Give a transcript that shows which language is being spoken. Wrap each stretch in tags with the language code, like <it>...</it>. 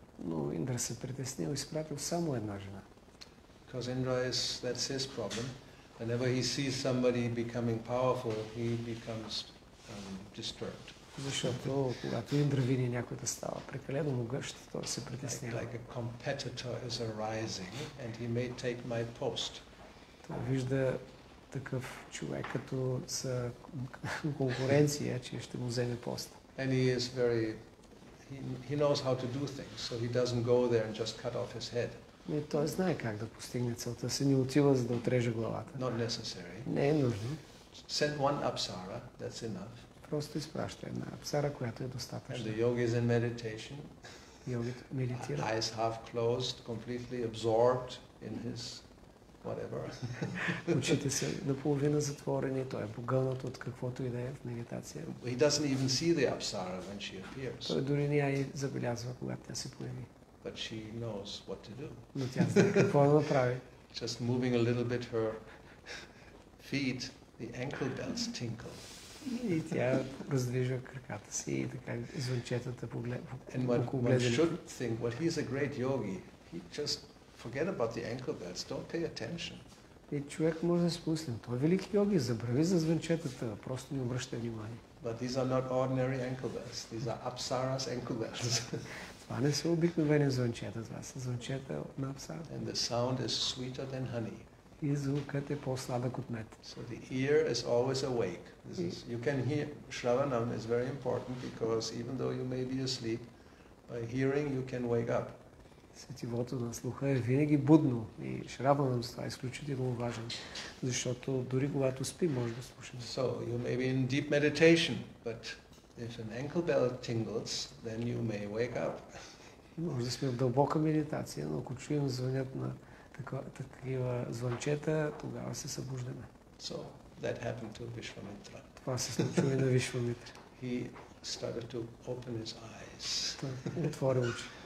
<bg>Но Индра се притеснил и изпратил само една жена.</bg> <en>Because Indra is, that's his problem. Whenever he sees somebody becoming powerful, he becomes disturbed.</en> <bg>Защото когато Индра види някой да става прекалено могъщ, той се притеснява.</bg> <en>Like a competitor is arising and he may take my post.</en> <bg>Той вижда такъв човек като са конкуренция, че ще му вземе пост.</bg> <en>And he is very, he knows how to do things, so he doesn't go there and just cut off his head.</en> <bg>Не, той знае как да постигне целта си, не отива за да отреже главата.</bg> <en>Not necessary.</en> <bg>Не е нужно.</bg> <en>Send one apsara, that's enough.</en> <bg>Просто изпраща една апсара, която е достатъчна.</bg> <en>And the yogi is in meditation.</en> <bg>Йогите медитира.</bg> <en>Eyes half closed, completely absorbed in his whatever.</en> <bg>Очите са наполовина затворени, той е погълнат от каквото и да е в медитация.</bg> <en>He doesn't even see the apsara when she appears.</en> <bg>Той дори не я и забелязва, когато тя се появи.</bg> <en>But she knows what to do.</en> <bg>Но тя знае какво да прави.</bg> <en>Just moving a little bit her feet, the ankle bells tinkle.</en> <bg>И тя раздвижва краката си и така звънчетата погледа.</bg> <en>One should think, he is a great yogi. He just forget about the ankle bells. Don't pay attention.</en> <bg>И човек може да се спусне. Той е велик йоги, забрави за звънчетата, просто не обръщай внимание.</bg> <en>But these are not ordinary ankle bells. These are apsaras ankle bells.</en> <bg>Това не са обикновени звънчета, това са звънчета на апсара.</bg> <en>And the sound is sweeter than honey.</en> <bg>И звукът е по-сладък от мед.</bg> <en>So the ear is always awake. This is, you can hear Shravanam is very important because even though you may be asleep, by hearing you can wake up.</en> <bg>Сетивото на слуха е винаги будно и Шраванам това е изключително важен, защото дори когато спи може да слушаме.</bg> <en>So you may be in deep meditation, but if an ankle bell tingles, then you may wake up.</en> <bg>Може да сме в дълбока медитация, но ако чуем звънят на такива звънчета, тогава се събуждаме.</bg> <en>So that happened to Vishwamitra.</en> <bg>Това се случи на Вишвамитра.</bg> <en>He started to open his eyes.</en> <bg>Отвори очи.</bg>